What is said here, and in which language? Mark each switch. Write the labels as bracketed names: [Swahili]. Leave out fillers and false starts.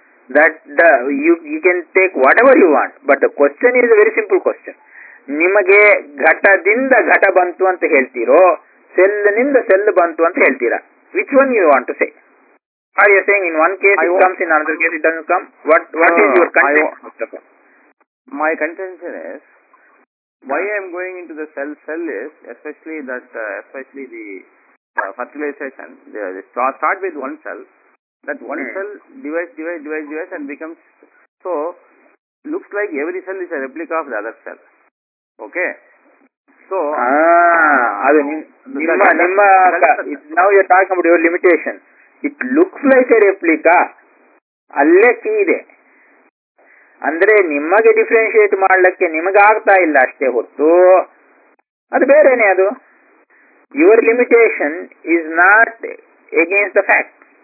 [English] That you can take whatever you want, but the question is very simple question. [Kannada] ನಿಮಗೆ ಘಟದಿಂದ ಘಟ ಬಂತು ಅಂತ ಹೇಳ್ತೀರೋ, ಸೆಲ್ನಿಂದ cell ಬಂತು ಅಂತ ಹೇಳ್ತೀರಾ, [English] Which one you want to say? Are you saying in one case it comes in another case it doesn't come? What is your contention? My contention is why I am going into the cell is especially that especially the fertilization, the start with one cell, that one cell divides and becomes, so looks like every cell is a replica of the other cell. Okay, so [Kannada] adu nimma [English] now you are talking about your limitation. It looks like a replica [Kannada] alle ki ide ಅಂದ್ರೆ ನಿಮಗೆ differentiate ಮಾಡ್ಲಿಕ್ಕೆ ನಿಮಗೆ ಆಗ್ತಾ ಇಲ್ಲ ಅಷ್ಟೇ ಹೊತ್ತು, ಅದು ಬೇರೆನೆ. [English] ಅದು your limitation is not against the fact.